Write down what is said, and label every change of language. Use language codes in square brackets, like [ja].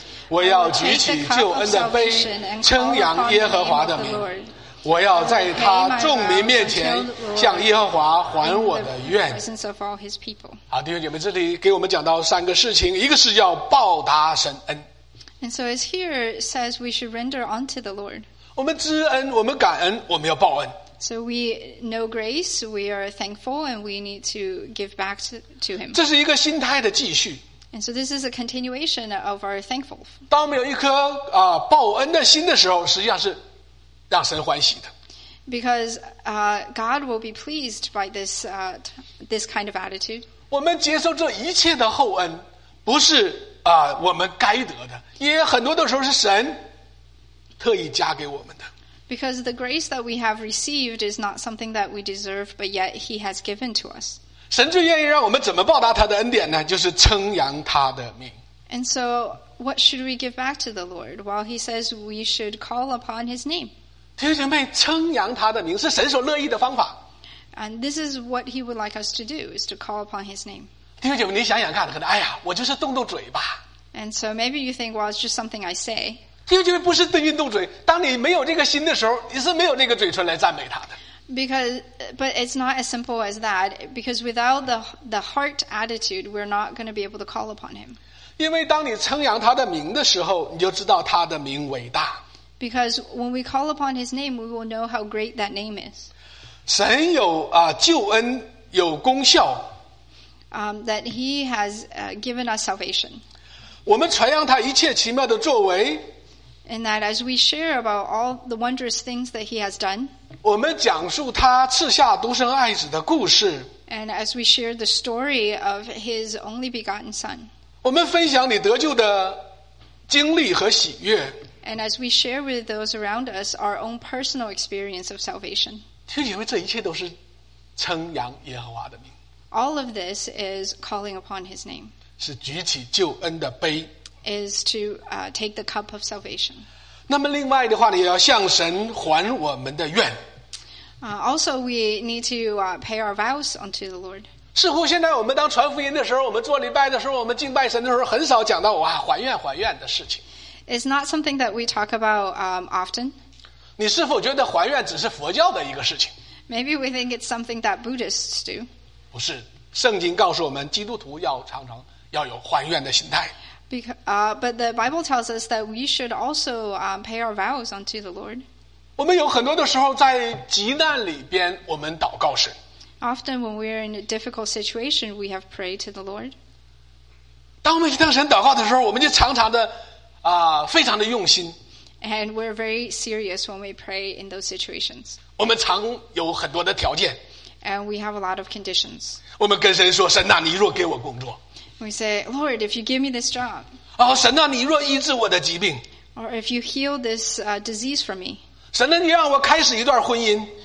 [zh] 我要举起救恩的杯，称扬耶和华的名。我要在他众民面前向耶和华还我的愿。好，弟兄姐妹，这里给我们讲到三个事情，一个是要报答神恩。 [en] And so it's here says we should render unto the Lord. [zh] 我们知恩，我们感恩，我们要报恩。 [en] So we know grace, we are thankful, and we need to give back to him. [zh] 这是一个心态的继续。 [en] And so this is a continuation of our thankful. [zh] 当我们有一颗报恩的心的时候，实际上是让神欢喜的。 [en] Because God will be pleased by this this kind of attitude. [zh] 我们接受这一切的厚恩，不是我们该得的，也很多的时候是神特意加给我们的。 [en] Because the grace that we have received is not something that we deserve, but yet He has given to us. [zh] 神最愿意让我们怎么报答他的恩典呢？就是称扬他的名。 [en] And so, what should we give back to the Lord? Well, He says we should call upon His name. [zh] 弟兄姐妹，称扬他的名是神所乐意的方法。 [en] And this is what He would like us to do: is to call upon His name. [zh] 弟兄姐妹，你想想看，可能哎呀，我就是动动嘴吧。 [en] And so maybe you think, well, it's just something I say. [zh] 弟兄姐妹，不是对运动嘴。当你没有这个心的时候，你是没有那个嘴唇来赞美他的。 [en] But it's not as simple as that. Because without the heart attitude, we're not going to be able to call upon him. [zh] 因为当你称扬他的名的时候，你就知道他的名伟大。 [en] Because when we call upon his name, we will know how great that name is. [zh] 神有救恩，有功效。 [en] That he has given us salvation. [zh] 我们传扬他一切奇妙的作为。 [en] And that as we share about all the wondrous things that he has done. [zh] 我们讲述他赐下独生爱子的故事。 [en] And as we share the story of his only begotten son. [zh] 我们分享你得救的经历和喜悦。 [en] And as we share with those around us our own personal experience of salvation. [zh] 听你们这一切都是称扬耶和华的名。 [en] All of this is calling upon his name. [zh] 是举起救恩的杯。 [en] Is to take the cup of salvation. [zh] 那么另外的话呢，也要向神还我们的愿。 [en] Also, we need to pay our vows unto the Lord. [zh] 似乎现在我们当传福音的时候，我们做礼拜的时候，我们敬拜神的时候，很少讲到哇还愿还愿的事情。 [en] It's not something that we talk about often. [zh] 你是否觉得还愿只是佛教的一个事情？ [en] Maybe we think it's something that Buddhists do. [zh] 不是，圣经告诉我们，基督徒要常常要有还愿的心态。 [en] But the Bible tells us that we should also pay our vows unto the Lord. [zh] 我们有很多的时候在急难里边，我们祷告神。 [en] Often when we are in a difficult situation, we have prayed to the Lord. [zh] 当我们向神祷告的时候，我们就常常的非常的用心。 [en] And we're very serious when we pray in those situations. [zh] 我们常有很多的条件。 [en] And we have a lot of conditions. [zh] 我们跟神说，神啊，你若给我工作。 [en] We say, Lord, if you give me this job. [zh] 哦，神啊，你若医治我的疾病。 [en] Or if you heal this disease for me. [zh] 神啊，你让我开始一段婚姻。